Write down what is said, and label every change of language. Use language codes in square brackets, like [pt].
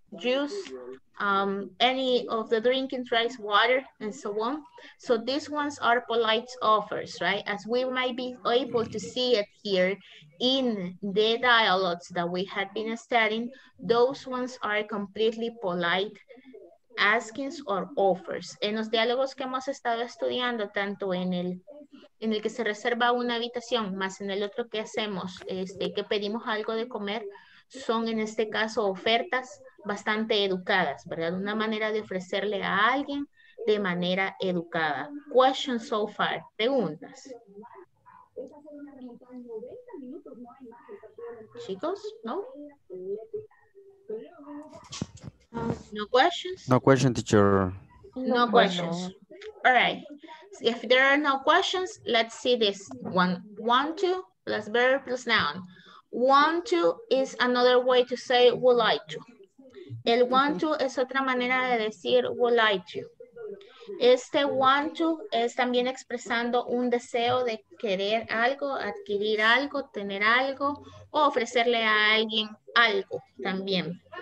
[en] Juice, any of the drinking drinks, water, and so on. So these ones are polite offers, right? As we might be able to see it here in the dialogues that we had been studying, those ones are completely polite askings or offers. [es] En los diálogos que hemos estado estudiando, tanto en el que se reserva una habitación, más en el otro que hacemos, que pedimos algo de comer, son en este caso ofertas bastante educadas, ¿verdad? Una manera de ofrecerle a alguien de manera educada. [en] Questions so far. Preguntas. [es] Chicos, no? [en] No questions? No question, teacher. No questions. All right. If there are no questions, let's see this one. Want to plus verb plus noun. Want to is another way to say would like to. [es] El want to es otra manera de decir would like to. Este want to es también expresando un deseo de querer algo, adquirir algo, tener algo, o ofrecerle a alguien algo también.